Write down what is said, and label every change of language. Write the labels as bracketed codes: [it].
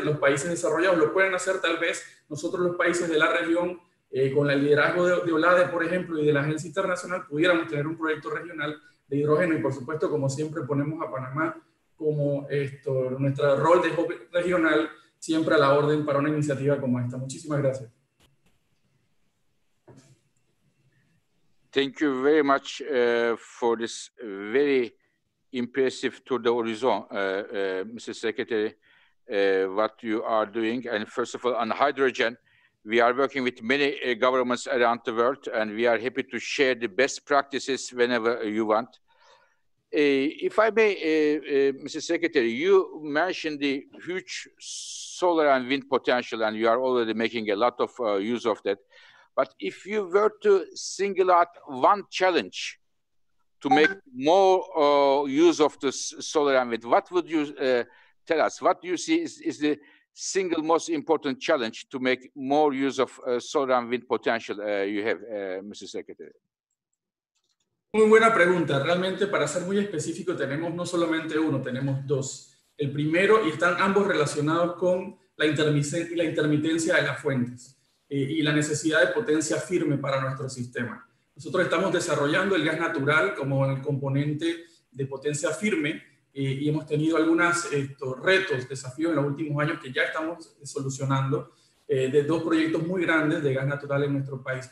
[es] Los países desarrollados lo pueden hacer, tal vez nosotros los países de la región, con el liderazgo de OLADE, por ejemplo, y de la Agencia Internacional, pudiéramos tener un proyecto regional de hidrógeno y, por supuesto, como siempre ponemos a Panamá como nuestro rol de hub regional, siempre a la orden para una iniciativa como esta. Muchísimas gracias. [en] Thank you very much for this very impressive tour de horizon, Mr. Secretary, what you are doing. And first of all, on hydrogen, we are working with many governments around the world, and we are happy to share the best practices whenever you want. If I may, Mr. Secretary, you mentioned the huge solar and wind potential, and you are already making a lot of use of that. But if you were to single out one challenge to make more use of the solar and wind, what would you tell us? What do you see is the single most important challenge to make more use of solar and wind potential you have, Mr. Secretary? [es] Muy buena pregunta. Realmente, para ser muy específico, tenemos no solamente uno, tenemos dos. El primero, y están ambos relacionados con la intermitencia de las fuentes y la necesidad de potencia firme para nuestro sistema. Nosotros estamos desarrollando el gas natural como el componente de potencia firme y hemos tenido algunos retos, desafíos en los últimos años que ya estamos solucionando de dos proyectos muy grandes de gas natural en nuestro país.